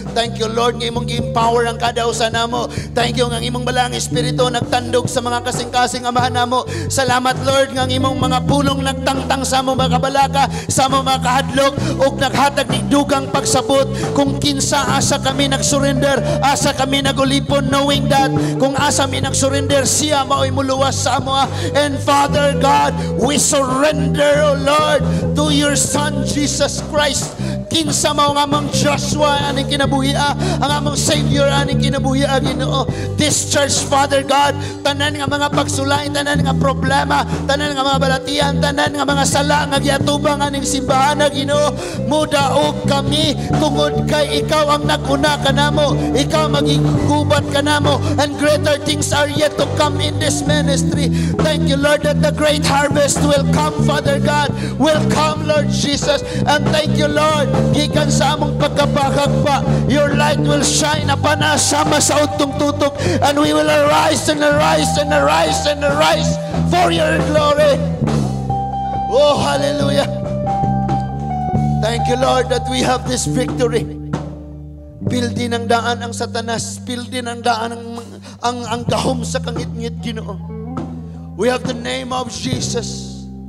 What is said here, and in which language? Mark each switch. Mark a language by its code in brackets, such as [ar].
[en] Thank you Lord, [ceb] nga imong empower ang kada usa namo. [en] Thank you [ceb] nga imong balaang espiritu nagtandog sa mga kasing-kasing amahan namo. Salamat Lord nga imong mga pulong nagtangtang sa mo makabalaka, sa mo makahadlok ug naghatag ni dugang pagsabot kung kinsa asa kami nag-surrender, asa kami nagulipon knowing that kung asa mi nag-surrender, siya maoy muluwas sa amo. [en] And Father God, we surrender, O Lord, to your Son Jesus Christ, [ceb] kinsa mao nga among Joshua aning kinabuhi a, ang among Savior aning kinabuhi a Ginoo. [en] This church, Father God, [ceb] tanan nga mga pagsulay, tanan nga problema, tanan nga mga balatian, tanan nga mga sala nga giatubang aning simbahan na Ginoo. Mudaog kami tungod kay ikaw ang naguna kanamo, ikaw maging gubat kanamo, [en] and greater things are yet to come in this ministry. Thank you, Lord, that the great harvest will come, Father God. Will come, Lord Jesus. And thank you, Lord, [ceb] gikan sa among pagkabagak pa, [en] your light will shine upon us, [ceb] sama sa utong tutok, [en] and we will arise and arise and arise and arise for your glory. Oh, hallelujah. Thank you, Lord, that we have this victory. [ceb] Pildin ang daan ang Satanas, pildin ang daan ang gahom sa kangit-ngit, Ginoo. [en] We have the name of Jesus.